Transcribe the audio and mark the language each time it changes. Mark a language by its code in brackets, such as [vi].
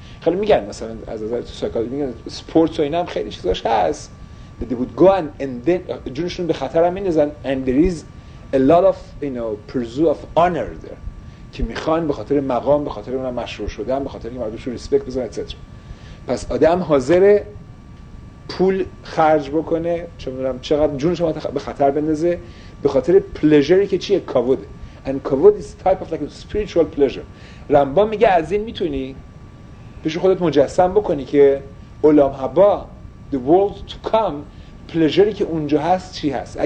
[fa] خیلی میگن مثلا از نظر تو سایکولوژی میگن سپورت و این هم خیلی چیزاش هست [en] that they would go and then [fa] جونشون به خطر هم میندازن [en] and there is a lot of you know pursuit of honor there [fa] که میخوان به خاطر مقام، به خاطر اونم مشهور شدن، به خاطر اینکه مردمش رو ریسپکت بزنن etc. پس آدم حاضره پول خرج بکنه، چمیدونم چقدر جونش رو به خطر بندازه به خاطر pleasure که چیه؟ کاوده. [en] and کاوده is type of like a spiritual pleasure. [fa] رمبان میگه از این میتونی پیش خودت مجسم بکنی که اولام حبا [en] the world to come pleasure [fa] که اونجا هست چی هست.